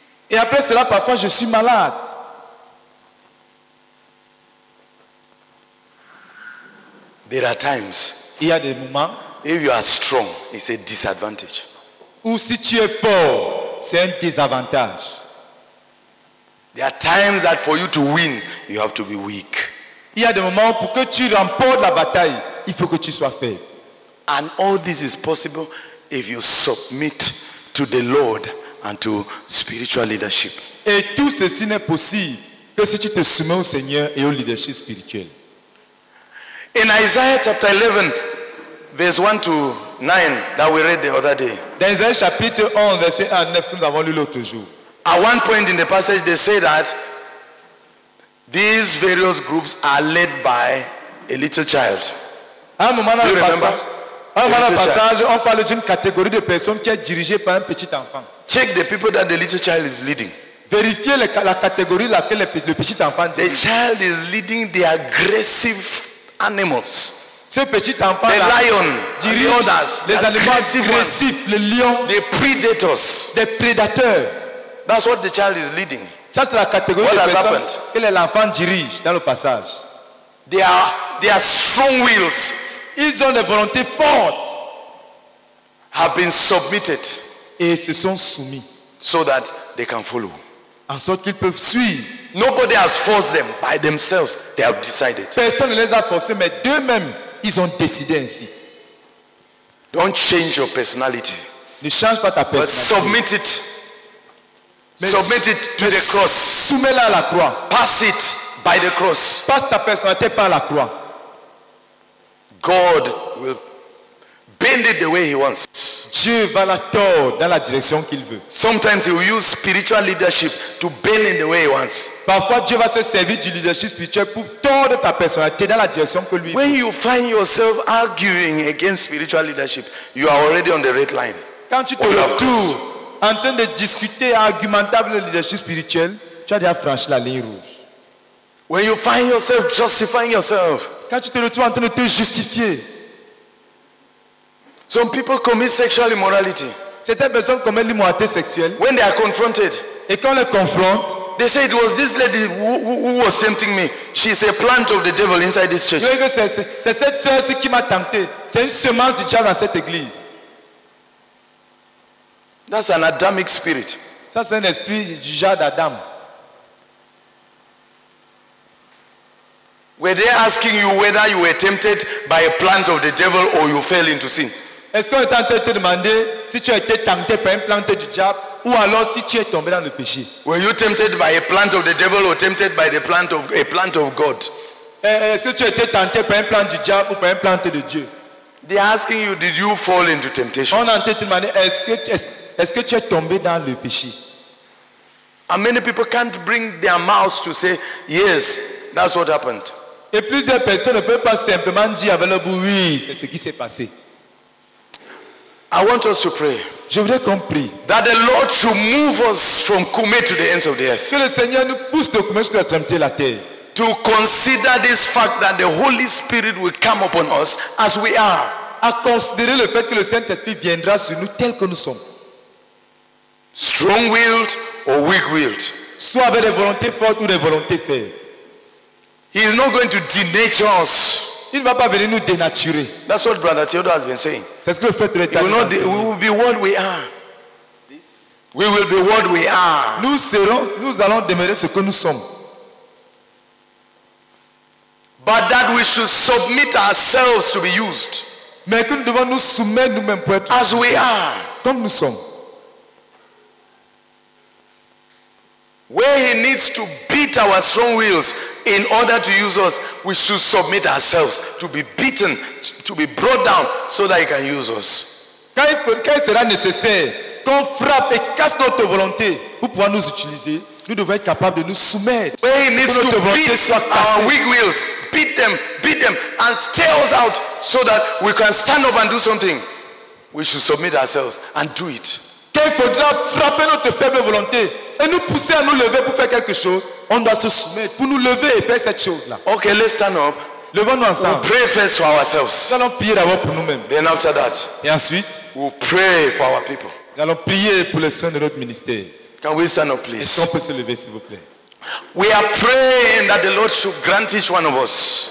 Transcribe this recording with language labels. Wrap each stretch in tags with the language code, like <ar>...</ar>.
<fr>Et après cela, parfois, je suis malade.</fr> <en>There are times.</en> <fr>Il y a des moments.</fr> <en>If you are strong, it's a disadvantage.</en> <fr>Ou si tu es fort, c'est un désavantage.</fr> <en>There are times that for you to win, you have to be weak.</en> <fr>Il y a des moments où pour que tu remportes la bataille, il faut que tu sois faible.</fr> <en>And all this is possible if you submit to the Lord and to spiritual leadership.</en> <fr>Et tout ceci n'est possible que si tu te soumets au Seigneur et au leadership spirituel.</fr> <en>In Isaiah chapter 11, verse 1 to 9 that we read the other day.</en> <fr>Dans Isaïe chapitre 11 verset 1 à 9 que nous avons lu l'autre jour.</fr> <en>At one point in the passage they say that these various groups are led by a little child.</en> <fr>À un moment dans le passage, on parle d'une catégorie de personnes qui est dirigée par un petit enfant.</fr> <en>Check the people that the little child is leading.</en> <fr>Vérifiez la catégorie laquelle le petit enfant dirige.</fr> <en>The child is leading the aggressive animals.</en> <fr>Ce petit enfant</fr> <en>the lion</en> <fr>dirige</fr> <en>the others,</en> <fr>les animaux agressifs, le lion,</fr> <en>the predators,</en> <fr>les prédateurs.</fr> <en>That's what the child is leading.</en> <fr>Ça c'est la catégorie de personnes que l'enfant dirige dans le passage.</fr> <en>They are strong wills.</en> <fr>Ils ont des volontés fortes.</fr> <en>Have been submitted.</en> <fr>Et se sont soumis.</fr> <en>So that they can follow.</en> <fr>En sorte qu'ils peuvent suivre.</fr> <en>Nobody has forced them. By themselves, they have decided.</en> <fr>Personne ne les a forcés, mais d'eux-mêmes, ils ont décidé ainsi.</fr> <en>Don't change your personality.</en> <fr>Ne change pas ta personnalité.</fr> <en>But submit it. Submit it to the cross.</en> <fr>Soumets-la à la croix.</fr> <en>Pass it by the cross.</en> <fr>Passe ta personnalité par la croix.</fr> <en>God will bend it the way he wants.</en> <fr>Dieu va la tordre dans la direction qu'il veut.</fr> <en>Sometimes he will use spiritual leadership to bend in the way he wants.</en> <fr>Parfois Dieu va se servir du leadership spirituel pour tordre ta personnalité dans la direction que lui veut.</fr> <en>When you find yourself arguing against spiritual leadership, you are already on the red line.</en> <fr>Quand tu te retrouves en train de discuter argumenter avec le leadership spirituel, tu as déjà franchi la ligne rouge.</fr> <en>When you find yourself justifying yourself,</en> <fr>quand tu te retrouves en train de te justifier.</fr> <en>Some people commit sexual immorality.</en> <fr>Certaines personnes commettent l'immoralité sexuelle.</fr> <en>When they are confronted,</en> <fr>et quand on les confronte,</fr> <en>they say it was this lady who was tempting me. She is a plant of the devil inside this church.</en> <fr>C'est cette sœur-ci qui m'a tenté. C'est une semence du diable dans cette église.</fr> <en>That's an Adamic spirit.</en> <fr>Ça c'est un esprit du genre d'Adam.</fr> <en>Were they asking you whether you were tempted by a plant of the devil or you fell into sin?</en> <fr>Est-ce qu'on est en train de te demander si tu as été tenté par une plante du diable ou alors si tu es tombé dans le péché?</fr> <en>Were you tempted by a plant of the devil or tempted by the plant of a plant of God?</en> <fr>Est-ce que tu as été tenté par une plante du diable ou par une plante de Dieu?</fr> <en>They are asking you, did you fall into temptation?</en> <fr>On est en train de te demander est-ce que tu es tombé dans le péché?</fr> <en>And many people can't bring their mouths to say yes, that's what happened.</en> <fr>Et plusieurs personnes ne peuvent pas simplement dire avec leur bouche oui, c'est ce qui s'est passé.</fr> <en>I want us to pray.</en> <fr>Je voudrais qu'on prie.</fr> <en>That the Lord should move us from Kume to the ends of the earth.</en> <fr>Que le Seigneur nous pousse de Kume jusqu'à l'extrémité de la terre.</fr> <en>To consider this fact that the Holy Spirit will come upon us as we are.</en> <fr>À considérer le fait que le Saint-Esprit viendra sur nous tel que nous sommes.</fr> <en>Strong-willed or weak-willed.</en> <fr>Soit avec des volontés fortes ou des volontés faibles.</fr> <en>He is not going to denature us.</en> <fr>Il ne va pas venir nous dénaturer.</fr> <en>That's what Brother Theodore has been saying.</en> <fr>C'est ce que le frère Théodore a dit.</fr> <en>We will be what we are. This? We will be what we are.</en> <fr>Nous allons demeurer ce que nous sommes.</fr> <en>But that we should submit ourselves to be used.</en> <fr>Mais que nous devons nous soumettre nous-mêmes pour être</fr> <en>as we are.</en> <fr>Comme nous sommes.</fr> <en>Where he needs to beat our strong wills in order to use us, we should submit ourselves to be beaten, to be brought down, so that he can use us.</en> <fr>Quand sera nécessaire qu'on frappe et casse notre volonté pour pouvoir nous utiliser, nous devons être capables de nous soumettre.</fr> <en>Where he needs to beat our weak wills, beat them, and tear us out, so that we can stand up and do something, we should submit ourselves and do it.</en> <fr>Quand il faudra frapper notre faible volonté et nous pousser à nous lever pour faire quelque chose, on doit se soumettre pour nous lever et faire cette chose-là.</fr> <en>Okay, let's stand up.</en> <fr>Levons-nous ensemble.</fr> <en>We'll pray first for ourselves.</en> <fr>Nous allons prier d'abord pour nous-mêmes.</fr> <en>Then after that,</en> <fr>et ensuite,</fr> <en>we'll pray for our people.</en> <fr>Nous allons prier pour les saints de notre ministère.</fr> <en>Can we stand up, please?</en> <fr>Est-ce qu'on peut se lever, s'il vous plaît?</fr> <en>We are praying that the Lord should grant each one of us.</en>